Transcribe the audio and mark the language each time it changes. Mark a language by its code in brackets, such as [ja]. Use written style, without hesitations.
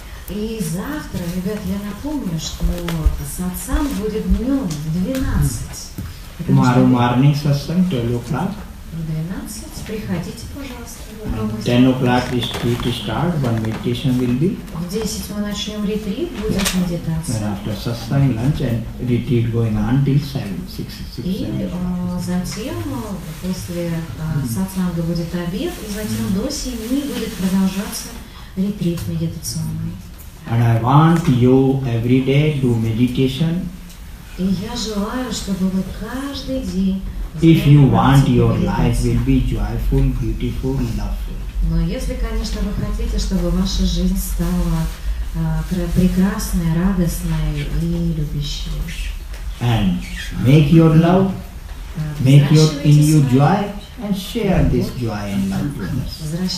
[ru] И завтра, ребят, я напомню, что сатсанг будет днем в 12. [en] Tomorrow morning sasang, 12 o'clock. [ru] В 12. Приходите, пожалуйста. [en] 10 o'clock is free to start. One meditation will be. [ru] В 10 мы начнем ретрит, будет медитация. [en] Then after sasang lunch and retreat going on till 6:00. [ru] И затем после сатсанга будет обед, и затем до 7 будет продолжаться ретрит медитационный. [en] And I want you every day do meditation. [ru] И я желаю, чтобы вы каждый день. [en] If you want, your life will be joyful, beautiful, loveful. [ru] Но если, конечно, вы хотите, чтобы ваша жизнь стала прекрасной, радостной и любящей. [en] And make your love, make your in you joy, and share this joy and loveliness.